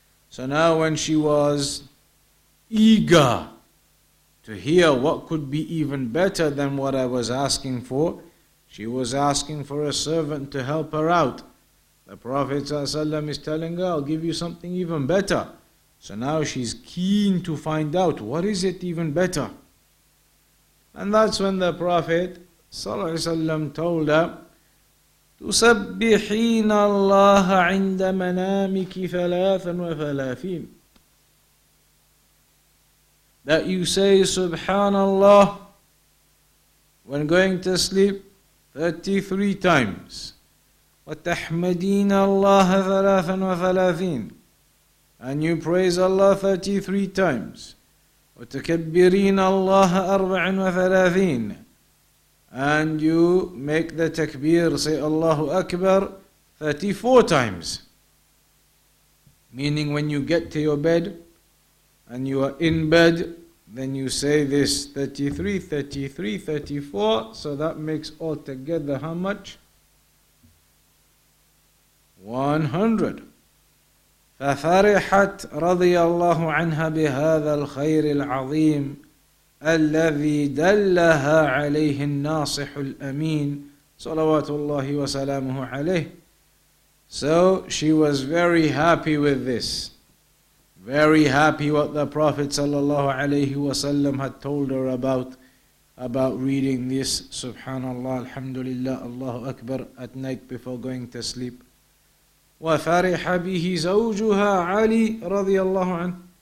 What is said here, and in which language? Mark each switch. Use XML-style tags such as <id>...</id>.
<en>So now when she was eager to hear what could be even better than what I was asking for, she was asking for a servant to help her out. The Prophet ﷺ is telling her, I'll give you something even better. So now she's keen to find out, what is it even better? And that's when the Prophet sallallahu alaihi wasallam told her,</en> <ar>تسبحين الله عند منامك ثلاثا وثلاثين.</ar> <en>That you say Subhanallah when going to sleep 33 times.</en> <ar>وتحمدين الله ثلاثا وثلاثين.</ar> <en>And you praise Allah 33 times.</en> <ar>وتكبرين الله أربع وثلاثين.</ar> <en>And you make the takbir, say Allahu Akbar, 34 times. Meaning when you get to your bed and you are in bed, then you say this 33, 33, 34. So that makes altogether how much? 100.</en> <ar>ففرحت رضي الله عنها بهذا الخير العظيم الذي دلها عليه الناصح الأمين صلوات الله وسلامه عليه.</ar> <en>So she was very happy with this. Very happy what the Prophet sallallahu alayhi wasallam had told her about reading this Subhanallah, Alhamdulillah, Allahu Akbar at night before going to sleep.</en> <ar>وفرح به زوجها علي رضي الله عنه.</ar>